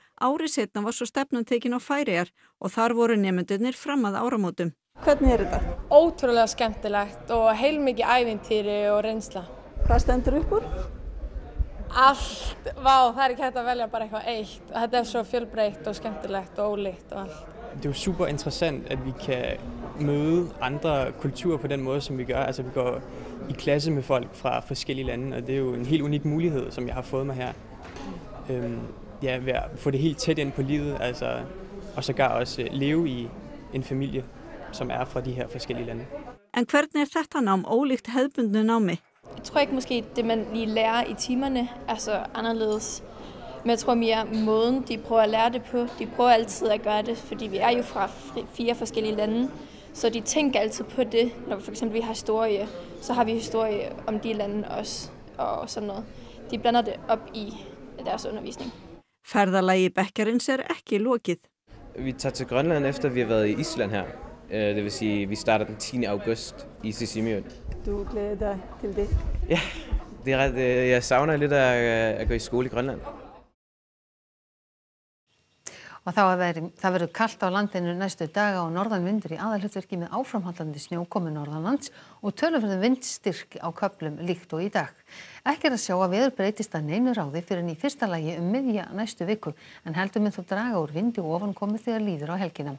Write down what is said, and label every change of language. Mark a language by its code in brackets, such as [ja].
[is] Ári setna var svo stefnan tekin á Færeyjar og þar voru nemendurnir fram að áramótum. Hvernig er þetta? Ótrúlega skemmtilegt og heilmikið ævintýri og reynsla. Hvað stendur upp úr? Allt, vá, það er ekki hægt að velja bara eitthvað eitt. Þetta er svo fjölbreytt og skemmtilegt og ólíkt og allt. [da] Det er jo super interessant, at vi kan møde andre kulturer på den måde, som vi gør. Altså, vi går i klasse med folk fra forskellige lande, og det er jo en helt unik mulighed, som jeg har fået mig her. Ja, ved at få det helt tæt ind på livet, altså, og sågar også leve i en familie, som er fra de her forskellige lande. [is] En hvernig er þetta nám ólíkt hefðbundnu námi? [da] Jeg tror ikke måske det, man lige lærer i timerne, altså anderledes. Men jeg tror mere måden, de prøver at lære det på. De prøver altid at gøre det, fordi vi er jo fra fire forskellige lande. Så de tænker altid på det. Når for eksempel vi har historie, så har vi historie om de lande også. Og sådan noget. De blander det op i deres undervisning. [is] Færdalagi Bekkarins er ikke lukket. [da] Vi tager til Grønland efter, vi har været i Island her. Det vil sige, vi starter den 10. august i Sisimiut. Du glæder dig til det? Ja, det er ret, jeg savner lidt at gå i skole i Grønland. [is] Og þá verður kalt á landinu næstu daga og norðan vindur í aðalhlutverki með áframhaldandi snjókomu norðanlands og töluverðum vindstyrk á köflum líkt og í dag. Ekki er að sjá að veður breytist að neinu ráði fyrir í fyrsta lagi miðja næstu viku en heldur mun þó draga úr vindi og ofan komið þegar líður á helgina.